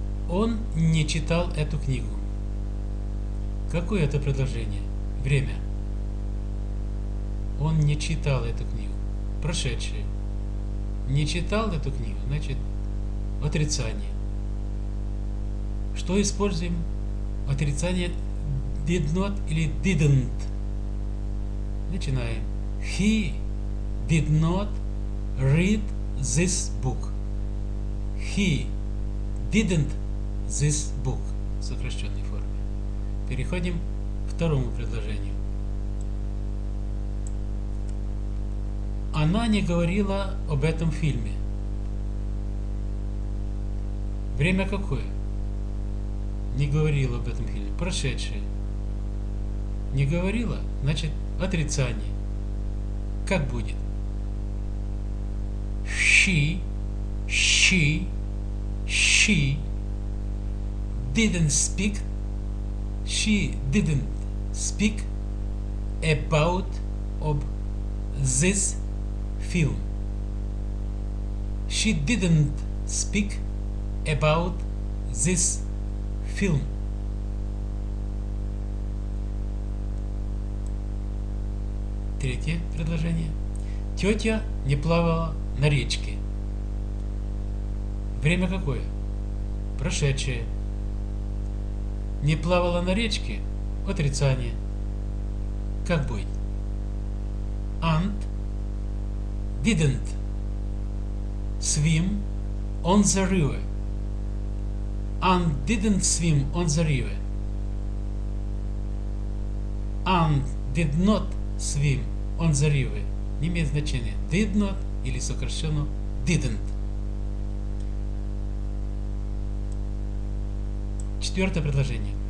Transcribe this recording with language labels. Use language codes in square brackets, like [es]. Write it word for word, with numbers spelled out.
[ru] Он не читал эту книгу. Какое это предложение? Время. Он не читал эту книгу. Прошедшее. Не читал эту книгу, значит, отрицание. Что используем? Отрицание [en] did not [ru] или didn't. Начинаем. [en] He did not read this book. He didn't this book. [ru] В сокращенной форме. Переходим к второму предложению. Она не говорила об этом фильме. Время какое? Не говорила об этом фильме. Прошедшее. Не говорила, значит отрицание. Как будет? [en] She, she, she didn't speak, she didn't speak about of this film. She didn't speak about this film. [ru] Третье предложение. Тетя не плавала на речке. Время какое? Прошедшее. Не плавала на речке? Отрицание. Как будет? [en] Aunt didn't swim on the river. Aunt didn't swim on the river. Aunt did not swim on the river. [ru] Не имеет значения [en] did not [ru] или сокращенно didn't. Четвертое предложение.